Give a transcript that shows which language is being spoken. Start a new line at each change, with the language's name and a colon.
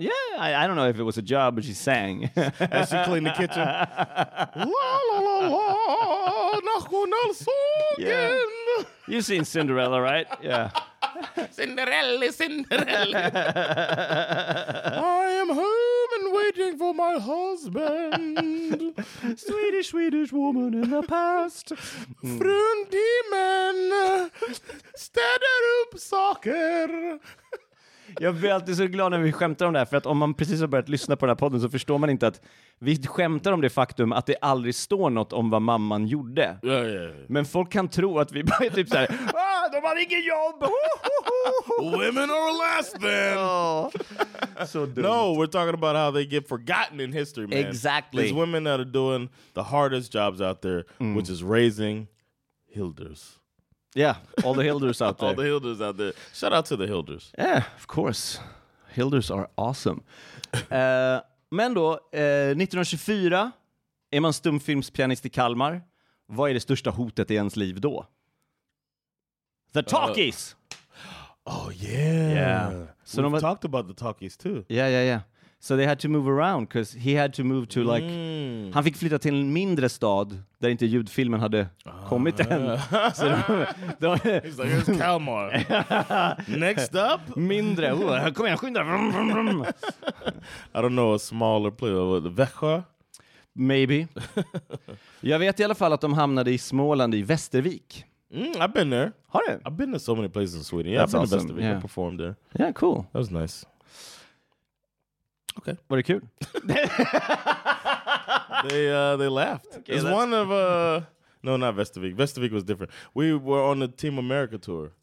English: Yeah, I don't know if it was a job, but she sang. As she cleaned the kitchen. La, la, la, la, nationalsången. Yeah. You've seen Cinderella, right? Yeah. Cinderella. I am home. my husband. Swedish, Swedish woman in the past.
Swedish: Frun Demon. Städer upp saker. Jag blir alltid så glad när vi skämtar om det här, för att om man precis har börjat lyssna på den här podden så förstår man inte att vi skämtar om det faktum att det aldrig står något om vad mamman gjorde. Ja, ja, ja. Men folk kan tro att vi bara är typ så här, de har ingen jobb!
English: Women are less than!
Swedish: Så dumt.
English: No, we're talking about how they get forgotten in history, man. Exactly. These women that are doing the hardest jobs out there, which is raising Hilders. Yeah, all the Hilders out there. All the Hilders out there. Shout out to the Hilders. Yeah, of course. Hilders are awesome.
Swedish: men då, 1924, är man stumfilmspianist i Kalmar. Vad är det största hotet i ens liv då?
English: The talkies! Oh, yeah. Yeah. So we've talked about the talkies, too. Yeah, yeah, yeah. So they had to move around, because he had to move to, like...
Swedish: Han fick flytta till en mindre stad där inte ljudfilmen hade kommit än. Så
English: de he's like, here's Kalmar. Next up?
Swedish: Mindre. Oh, kom igen, skynda.
English: I don't know, a smaller place.
Swedish: Växjö?
English: Maybe.
Swedish: Jag vet i alla fall att de hamnade i Småland i Västervik.
English: Mm, I've been there.
Swedish: Har du?
English: I've been to so many places in Sweden. Yeah, that's I've been awesome. To Västervik. Yeah. I performed there. Yeah, cool. That was nice.
Swedish: Okay. Var det kul?
English: They laughed. Okay, it's one of no, not Västervik. Västervik was different. We were on the Team America tour.